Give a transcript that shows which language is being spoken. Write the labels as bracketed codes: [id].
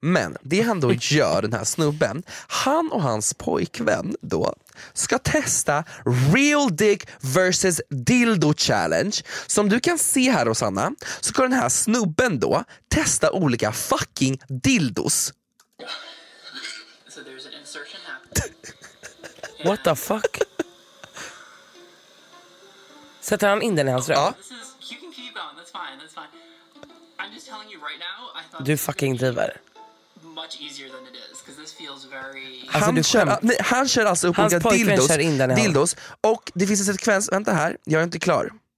[sv] Men det han då gör, den här snubben, han och hans pojkvän då ska testa [en] real dick versus dildo challenge. [sv] Som du kan se här, Rosanna, så ska den här snubben då testa olika fucking dildos. [en] So there's an insertion happening. What the fuck? [sv] Sätter han in den i hans röv? Ja. [en] You can keep on, that's fine, that's fine. I'm just telling you right now, I thought [sv] du fucking driver. [en] Much easier than it is, because this feels very... [sv] Alltså, han kör alltså upp olika dildos, kör in den här. Dildos. Och det finns en sekvens, vänta här, jag är inte klar.